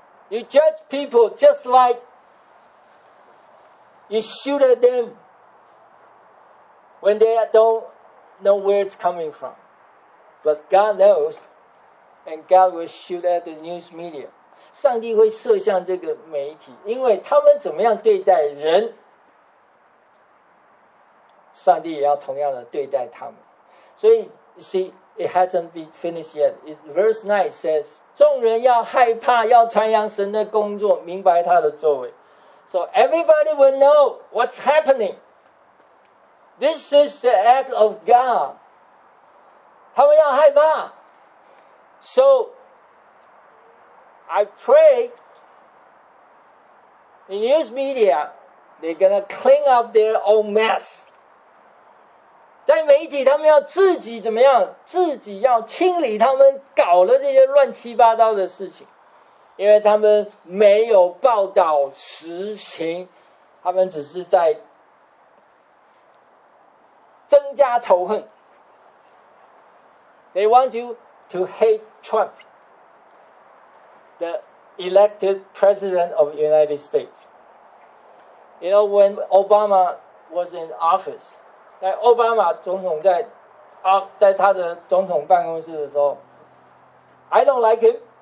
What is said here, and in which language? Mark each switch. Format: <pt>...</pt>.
<en>You judge people just like you shoot at them when they don't know where it's coming from. But God knows, and God will shoot at the news media.</en> <zh>上帝会射向这个媒体，因为他们怎么样对待人，上帝也要同样的对待他们。所以</zh> <en>you see,It hasn't been finished yet. Verse 9 says,</en> <zh>众人要害怕，要传扬神的工作，明白他的作为。</zh> <en>So everybody will know what's happening. This is the act of God.</en> <zh>他们要害怕。</zh> <en>So, I pray the news media, they're going to clean up their own mess.</en> <zh>在媒体他们要自己怎么样？自己要清理他们搞了这些乱七八糟的事情。因为他们没有报道实情，他们只是在增加仇恨。</zh> <en>They want you to hate Trump, the elected president of the United States. You know, when Obama was in office,</en> <zh>在奥巴马总统在他的总统办公室的时候</zh> <en>，I don't like him.</en>